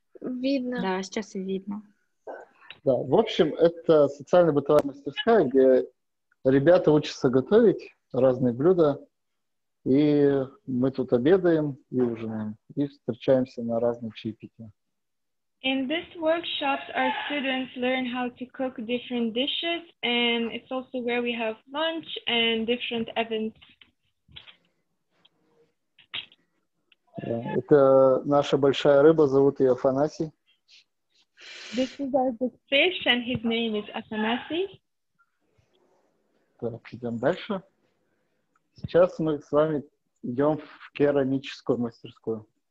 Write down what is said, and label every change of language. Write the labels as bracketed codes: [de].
[ru] Видно. Да, сейчас и видно. Да, в общем, это социальная бытовая мастерская, где ребята учатся готовить разные блюда, и мы тут обедаем и ужинаем, и встречаемся на разных чаепитиях. [en] In this workshop, our students learn how to cook different dishes, and it's also where we have lunch and different events. [ru] Это наша большая рыба, зовут ее Афанасий. [en] This is our big fish, and his name is Афанасий. [ru] Так, идем дальше. Сейчас мы с вами идем в керамическую мастерскую.